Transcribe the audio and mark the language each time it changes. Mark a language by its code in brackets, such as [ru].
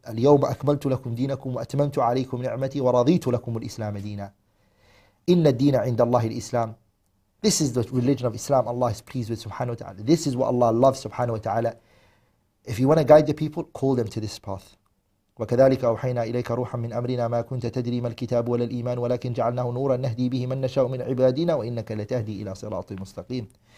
[ar] اليوم أكملت لكم دينكم وأتممت عليكم نعمتي ورضيت لكم الإسلام دينا. إن الدين عند الله الإسلام. [en] This is the religion of Islam Allah is pleased with, subhanahu wa ta'ala. This is what Allah loves, subhanahu wa ta'ala. If you want to guide the people, call them to this path. [ar] وكذلك أوحينا إليك روحا من أمرنا ما كنت تدري ما الكتاب ولا الإيمان ولكن جعلناه نورا نهدي به من نشاء من عبادنا وإنك لتهدي إلى صراط مستقيم.